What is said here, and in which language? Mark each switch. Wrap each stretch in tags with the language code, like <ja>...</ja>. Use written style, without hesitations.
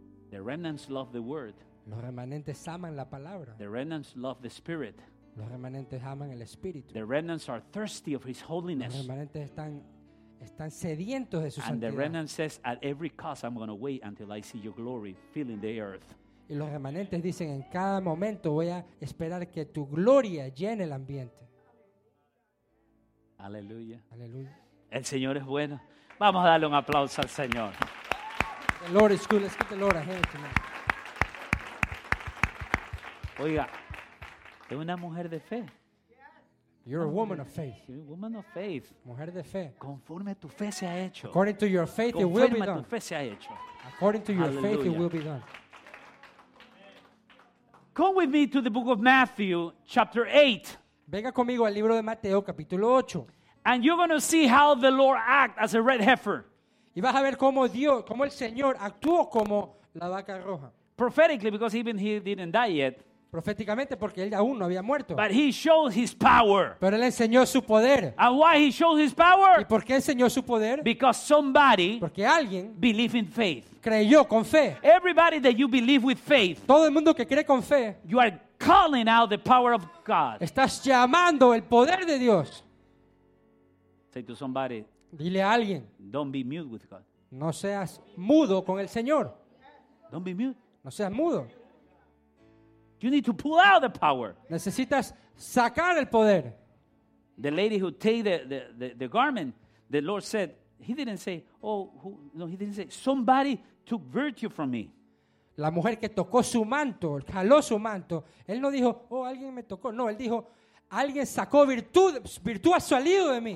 <en>The remnants love the word.</en> <es>Los remanentes aman la palabra.</es> <en>The remnants love the spirit.</en> <es>Los remanentes aman el espíritu.</es> <en>The remnants are thirsty of his holiness.</en> <es>Los remanentes están sedientos de su</es> <en>and</en> <es>santidad.</es> <en>And the remnant says, at every cost, I'm going to wait until I see your glory filling the earth.</en> <es>Y los remanentes dicen, en cada momento voy a esperar que tu gloria llene el ambiente. Aleluya. Aleluya. El Señor es bueno. Vamos a darle un aplauso al Señor.</es> <en>The Lord is good. Let's get the Lord a hand tonight.</en> <es>Oiga, es una mujer de fe.</es> <en>You're a woman of faith. You're a woman of faith.</en> <es>Mujer de fe. Conforme tu fe se ha hecho.</es> <en>According to your faith,</en> <es>conforme</es> <en>it will be done.</en> <es>Conforme tu fe se ha hecho.</es> <en>According to your faith, it will be done. Come with me to the book of Matthew, chapter 8.</en> <es>Venga conmigo al libro de Mateo, capítulo 8.</es> <en>And you're going to see how the Lord acts as a red heifer.</en> <es>Y vas a ver cómo Dios, cómo el Señor actuó como la vaca roja.</es> <en>Prophetically, because even he didn't die yet.</en> <es>Proféticamente, porque él aún no había muerto.</es> <en>But he showed his power.</en> <es>Pero él enseñó su poder.</es> <en>And why he showed his power?</en> <es>¿Y por qué enseñó su poder?</es> <en>Because somebody,</en> <es>porque alguien,</es> <en>believed in faith.</en> <es>Creyó con fe.</es> <en>Everybody that you believe with faith.</en> <es>Todo el mundo que cree con fe.</es> <en>You are calling out the power of God.</en> <es>Estás llamando el poder de Dios.</es> <en>Say to somebody.</en> <es>Dile a alguien.</es> <en>Don't be mute with God.</en> <es>No seas mudo con el Señor.</es> <en>Don't be mute.</en> <es>No seas mudo.</es> <en>You need to pull out the power.</en> <es>Necesitas sacar el poder.</es> <en>The lady who take the garment, the Lord said, he didn't say, oh, who, no, he didn't say, somebody took virtue from me.</en> <es>La mujer que tocó su manto, jaló su manto, él no dijo, oh, alguien me tocó. No, él dijo, alguien sacó virtud ha salido de mí.</es>